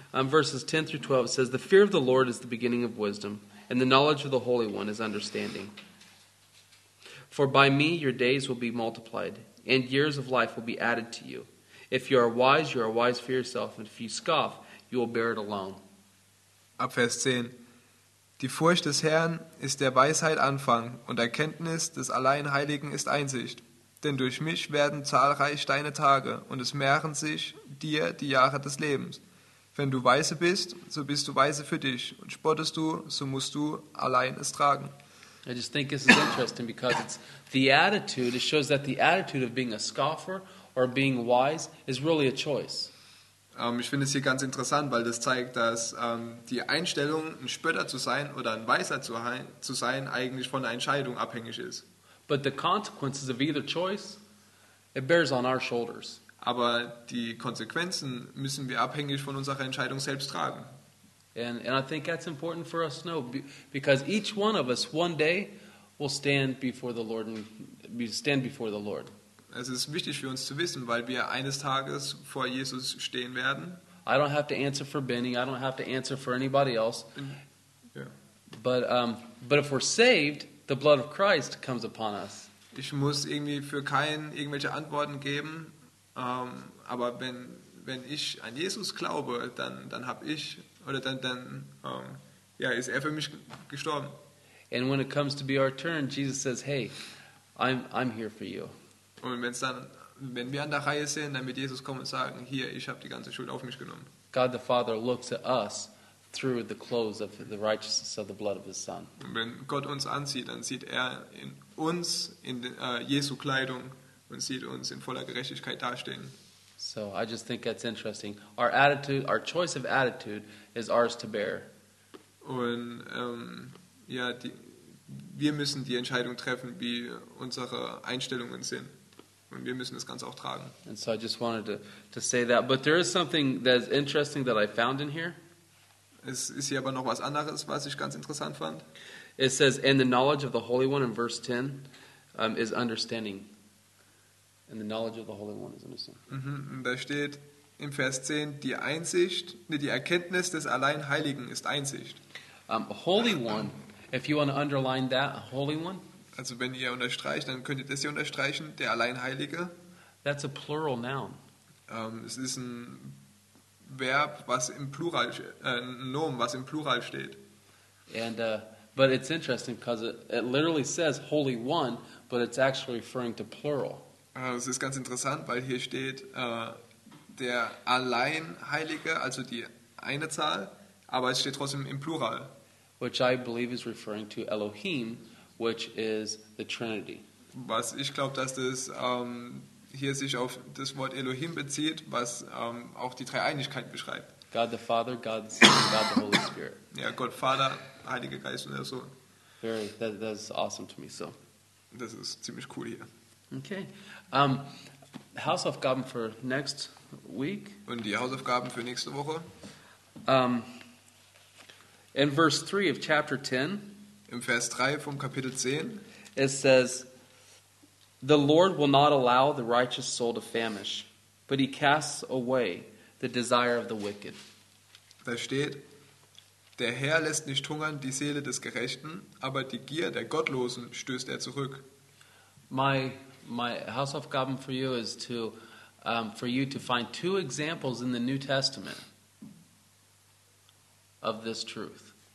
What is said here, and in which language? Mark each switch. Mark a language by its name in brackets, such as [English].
[English] Verses 10 through 12 says, "The fear of the Lord is the beginning of wisdom, and the knowledge of the Holy One is understanding. For by me your days will be multiplied, and years of life will be added to you. If you are wise, you are wise for yourself, and if you scoff, you will bear it alone." [German] Ab Vers 10. Die Furcht des Herrn ist der Weisheit Anfang, und Erkenntnis des Alleinheiligen ist Einsicht. Denn durch mich werden zahlreich deine Tage, und es mehren sich dir die Jahre des Lebens. Wenn du weise bist, so bist du weise für dich, und spottest du, so musst du allein es tragen. [English] I just think this is interesting because it's the attitude, it shows that the attitude of being a scoffer or being wise is really a choice. [German] Ich finde es hier ganz interessant, weil das zeigt, dass die Einstellung, ein Spötter zu sein oder ein Weiser zu sein, eigentlich von der Entscheidung abhängig ist. [English] But the consequences of either choice, it bears on our shoulders. [German] Aber die Konsequenzen müssen wir abhängig von unserer Entscheidung selbst tragen. [English] And I think that's important for us to know, because each one of us one day will stand before the Lord and stand before the Lord. [German] Es ist wichtig für uns zu wissen, weil wir eines Tages vor Jesus stehen werden. [English] I don't have to answer for Benny. I don't have to answer for anybody else. But if we're saved, the blood of Christ comes upon us. [German] Ich muss irgendwie für keinen irgendwelche Antworten geben. Aber wenn ich an Jesus glaube, dann habe ich oder dann ist er für mich gestorben. [English] And when it comes to be our turn, Jesus says, "Hey, I'm here for you." [German] Und wenn wir an der Reihe sind, dann wird Jesus kommen und sagen, hier, ich habe die ganze Schuld auf mich genommen. [English] God the Father looks at us through the clothes of the righteousness of the blood of his Son. [German] Und wenn Gott uns ansieht, dann sieht er in uns in Jesu Kleidung und sieht uns in voller Gerechtigkeit dastehen. [English] So I just think that's interesting. Our attitude, our choice of attitude is ours to bear. [German] Und wir müssen die Entscheidung treffen, wie unsere Einstellungen sind. Und wir müssen das Ganze auch tragen. [English] And so I just wanted to say that. But there is something that's interesting that I found in here. [German] Es ist hier aber noch was anderes, was ich ganz interessant fand. [English] It says, "And the knowledge of the Holy One," in verse 10, is understanding. And the knowledge of the Holy One is understanding. Mm-hmm. [German] Da steht im Vers 10, die Erkenntnis des Alleinheiligen ist Einsicht. [English] Holy One, if you want to underline that, Holy One. [German] Also wenn ihr unterstreicht, dann könnt ihr das hier unterstreichen, der Alleinheilige. [English] That's a plural noun. [German] Es ist ein Verb, was im Plural, ein Nomen, was im Plural steht. [English] And but it's interesting because it literally says Holy One, but it's actually referring to plural. [German] Es ist ganz interessant, weil hier steht der Alleinheilige, also die eine Zahl, aber es steht trotzdem im Plural. [English] Which I believe is referring to Elohim, which is the Trinity. [German] Was ich glaube, dass das hier sich auf das Wort Elohim bezieht, was auch die Dreieinigkeit beschreibt. [English] God the Father, God the Son, God the Holy Spirit. [German] Ja, Gott Vater, Heiliger Geist und der Sohn. [English] Very, that's awesome to me. So, [German] das ist ziemlich cool hier. Okay, Hausaufgaben für next week. Und die Hausaufgaben für nächste Woche. [English] In verse 3 of chapter 10. [German] Im Vers 3 vom Kapitel 10. [English] It says, "The Lord will not allow the righteous soul to famish, but he casts away the desire of the wicked." [German] Da steht, der Herr lässt nicht hungern die Seele des Gerechten, aber die Gier der Gottlosen stößt er zurück. [English] My Hausaufgaben for you is to for you to find two examples in the New Testament of this truth.